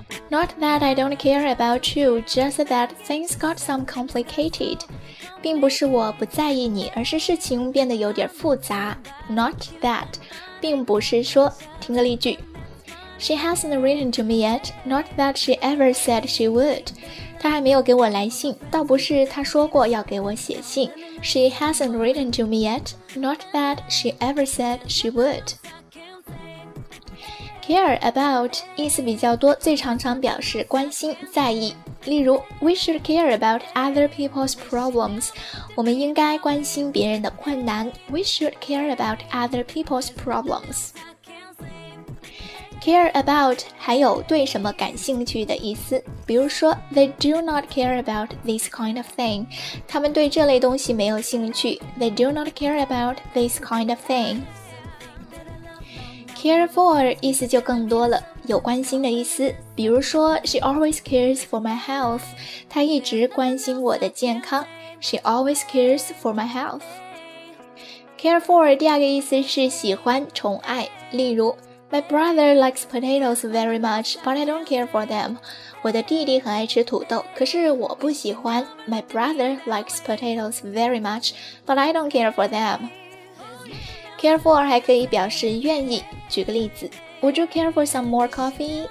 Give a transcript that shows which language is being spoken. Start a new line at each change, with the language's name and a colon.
English: Not that I don't care about you, just that things got some complicated.
Chinese: 并不是我不在意你，而是事情变得有点复杂。
English: Not that,
Chinese: 并不是说，听个例句。
English: She hasn't written to me yet, not that she ever said she would.
Chinese: 她还没有给我来信，倒不是她说过要给我写信。
English: She hasn't written to me yet, not that she ever said she would. care about
Chinese: 意思比较多，最常常表示关心、在意。例如
English: ，We should care about other people's problems.
Chinese: 我们应该关心别人的困难。
English: We should care about other people's problems. Care about
Chinese: 还有对什么感兴趣的意思，比如说
English: They do not care about this kind of thing.
Chinese: 他们对这类东西没有兴趣。
English: They do not care about this kind of thing. Care for
Chinese: 意思就更多了，有关心的意思，比如说
English: She always cares for my health.
Chinese: 她一直关心我的健康。
English: She always cares for my health. Care for
Chinese: 第二个意思是喜欢、宠爱，例如
English: My brother likes potatoes very much, but I don't care for them.
Chinese: 我的弟弟很爱吃土豆，可是我不喜欢。
English: My brother likes potatoes very much, but I don't care for them. Care for
Chinese: 还可以表示愿意。举个例子
English: ,Would you care for some more coffee?